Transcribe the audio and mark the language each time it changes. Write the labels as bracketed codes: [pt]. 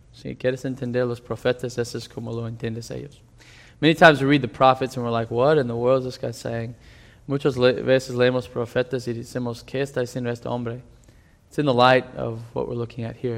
[es] Si quieres entender los profetas, eso es como lo entiendes ellos. [en] Many times we read the prophets and we're like, what in the world is this guy saying? [es] Muchas veces leemos profetas y decimos, ¿qué está diciendo este hombre? [en] It's in the light of what we're looking at here.